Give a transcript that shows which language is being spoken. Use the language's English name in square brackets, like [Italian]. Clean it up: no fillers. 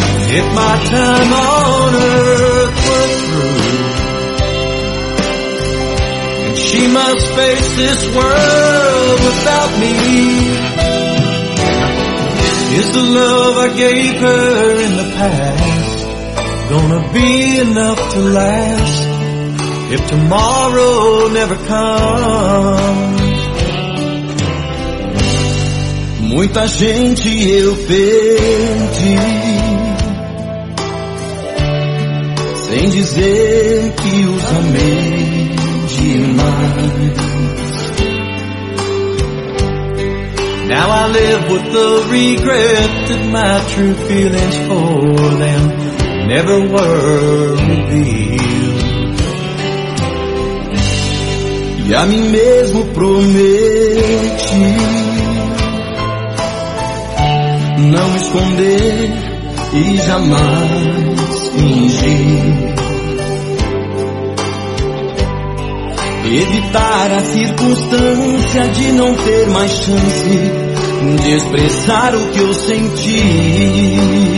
[English] If my time on earth was through, and she must face this world without me, is the love I gave her in the past gonna be enough to last if tomorrow never comes? [Portuguese] Muita gente eu perdi, sem dizer que os amei demais. [English] Now I live with the regret that my true feelings for them never were revealed. [Portuguese] E a mim mesmo prometi não esconder e jamais fingir, evitar a circunstância de não ter mais chance de expressar o que eu senti.